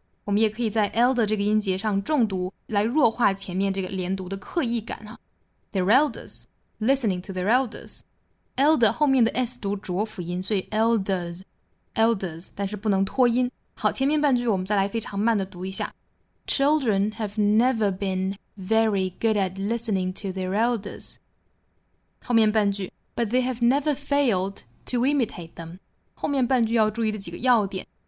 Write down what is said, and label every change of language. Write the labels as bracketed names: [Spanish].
[Chinese] 我们也可以在 elder 这个音节上重读来弱化前面这个连读的刻意感哈。 [English] their elders listening to their elders elder [Chinese] 后面的 s 读浊辅音，所以 elders 但是不能拖音。好，前面半句我们再来非常慢的读一下。 [English] Children have never been very good at listening to their elders. [Chinese] 后面半句 [English] But they have never failed to imitate them. [Chinese] 后面半句要注意的几个要点。